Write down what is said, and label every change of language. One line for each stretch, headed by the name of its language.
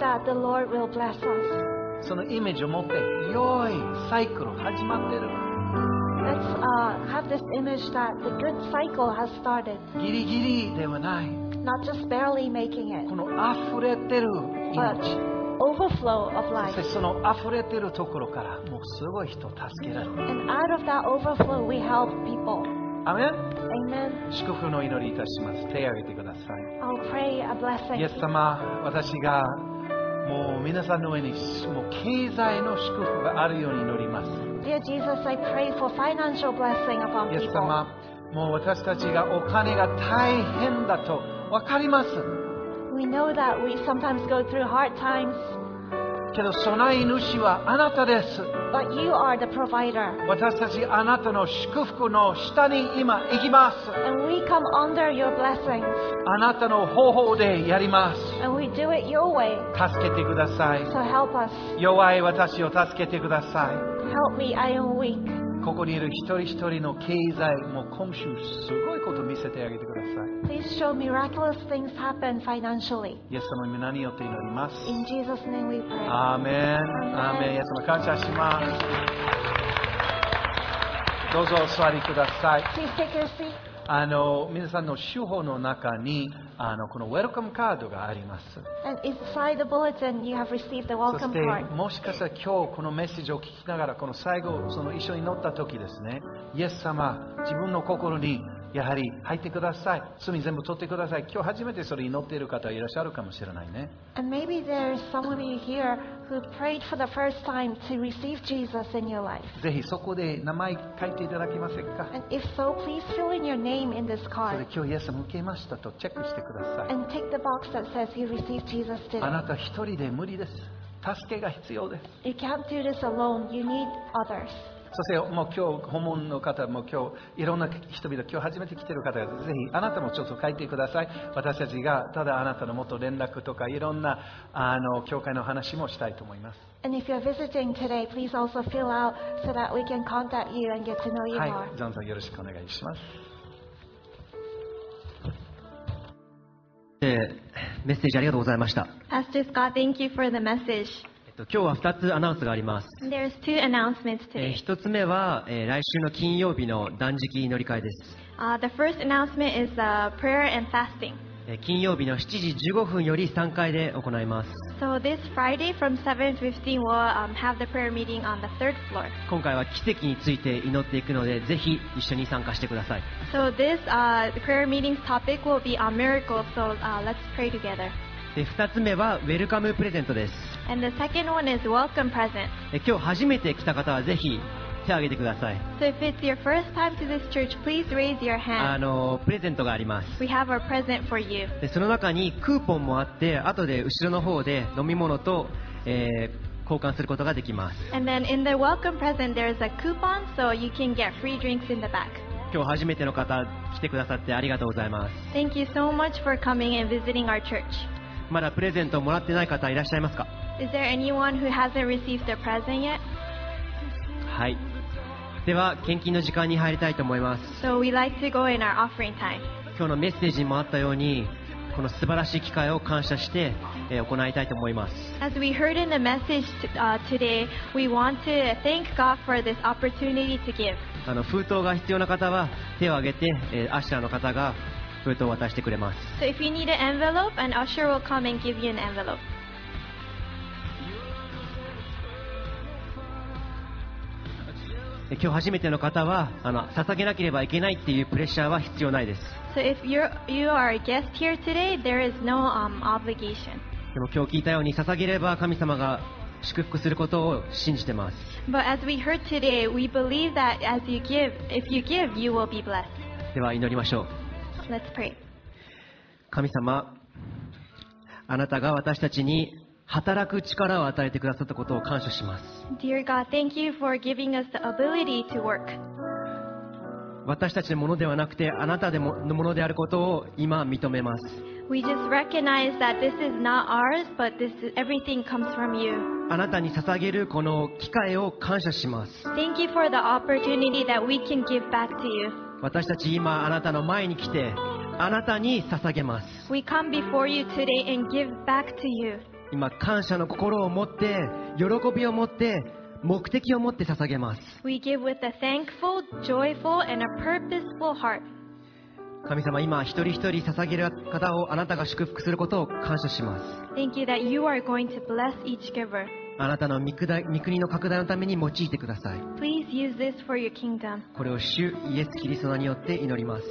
Japanese: そのイメージを持って良いサイクル始まってる。
English: Let's have this image that the good cycle has started.
Japanese: ギリギリではない。
English: Not just barely making it.
Japanese: この溢れてる命。
English: Overflow of life.
Japanese: そしてその溢れてるところからもうすごい人を助けられる。
English: And out of that overflow, we help people.
Japanese: アメン。
English: Amen.
Japanese: 祝福の祈りいたします。手を挙げてください。
English: I'll pray a blessing.
Japanese: イエス様、私がもう皆さんの上にもう経済の祝福があるように祈ります。
English: Dear Jesus, I pray for financial blessing upon people.
Japanese: イエス様、もう私たちがお金が大変だと分かります。
English: We know that we sometimes go through hard times.
Japanese: けど備え主はあなたです。
English: But you are the provider.
Japanese: 私たちあなたの祝福の下に今行きます。
English: And we come under your blessings.
Japanese: あなたの方法でやります。
English: We do it your way.
Japanese: 助けてください。
English: So help us.
Japanese: 弱い私を助けてください。
English: Help me, I am weak.
Japanese: ここにいる一人一人の経済、もう今週すごいこと見せてあげてください。
English: Please show miraculous things happen financially.
Japanese: イエス様に何によって祈ります。
English: In Jesus' name we pray. Amen. Amen.
Japanese: イエス様、感謝します。どうぞお座りください。
English: Please take your seat.
Japanese: あの皆さんの手法の中にあのこのウェルカムカードがあります。
English: And inside the bulletin, you have received the welcome card.
Japanese: そしてもしかしたら今日このメッセージを聞きながらこの最後その一緒に乗った時ですね、イエス様自分の心にやはり入ってください、罪全部取ってください、今日初めてそれ祈っている方いらっしゃるかもしれないね。
English: And maybe there is some of you here who prayed for the first time to receive Jesus in your life.
Japanese: ぜひそこで名前書いていただけませんか。
English: And if so, please fill in your name in this card.
Japanese: それ今日イエス様受けましたとチェックしてください。
English: And take the box that says you received Jesus today.
Japanese: あなた一人で無理です。助けが必要です。
English: You can't do this alone. You need others.
Japanese: そしてもう今日訪問の方も今日いろんな人々今日初めて来ている方々ぜひあなたもちょっと書いてください。私たちがただあなたの元連絡とかいろんなあの教会の話もしたいと思います。
English: And if you're visiting today, please also fill out so that we can contact you and get to know you more.
Japanese: はい、どうぞよろしくお願いします。メッセージありがとうございました。
English: Pastor Scott, thank you for the message.
Japanese: 今日は2つアナウンスがあります。
English: There's two announcements today.
Japanese: 1つ目は、来週の金曜日の断食乗り換えです。
English: The first announcement is the prayer and fasting.
Japanese: 金曜日の7時15分より3回で行います。
English: So this Friday from 7:15 we'll have the prayer meeting on the third floor.
Japanese: 今回は奇跡について祈っていくので、ぜひ一緒に参加してください。
English: So this prayer meeting's topic will be on miracles, so let's pray together.
Japanese: で、2つ目はウェルカムプレゼントです。
English: And the second one is welcome present.
Japanese: 今日初めて来た方はぜひ手を挙げてください。
English: So if it's your first time to this church, please raise your hand.
Japanese: プレゼントがあります。
English: We have our present for you.
Japanese: で、その中にクーポンもあって、後で後ろの方で飲み物と、交換することができます。
English: And then in the welcome present, there is a coupon, so you can get free drinks in the back.
Japanese: 今日初めての方来てくださってありがとうございます。
English: Thank you so much for coming and visiting our church.
Japanese: まだプレゼントをもらってない方いらっしゃいますか？
English: Is there anyone who hasn't received their present yet?
Japanese: はい。では献金の時間に入りたいと思います。
English: So we like to go in our offering time.
Japanese: 今日のメッセージにもあったように、この素晴らしい機会を感謝して行いたいと思います。
English: As we heard in the message today, we want to thank God for this opportunity to give.
Japanese: 封筒が必要な方は手を挙げて、アシュラーの方が封筒を渡してくれます。
English: So if you need an envelope, an usher will come and give you an envelope.
Japanese: 今日初めての方は捧げなければいけないっていうプレッシャーは必要ないです。
English: So if you are a guest here today, there is no obligation.
Japanese: でも今日聞いたように捧げれば神様が祝福することを信じてます。
English: But as we heard today, we believe that as you give, if you give, you will be blessed.
Japanese: では祈りましょう。
English: Let's pray.
Japanese: 神様、あなたが私たちに働く力を与えてくださったことを感謝します。
English: Dear God, thank you for giving us the ability to work.
Japanese: 私たちのものではなくてあなたのものであることを今認めます。
English: We just recognize that this is not ours, but this is, everything comes from you.
Japanese: あなたに捧げるこの機会を感謝します。
English: Thank you for the opportunity that we can give back to you.
Japanese: 私たち今あなたの前に来てあなたに捧げます。
English: We come before you today and give back to you.
Japanese: 今感謝の心を持って喜びを持って目的を持って捧げます。
English: We give with a thankful, joyful, and a purposeful heart.
Japanese: 神様、今一人一人捧げる方をあなたが祝福することを感謝します。
English: Thank you that you are going to bless each giver.
Japanese: あなたの御国の拡大のために用いてください。
English: Please use this for your kingdom.
Japanese: これを主イエスキリストによって祈ります。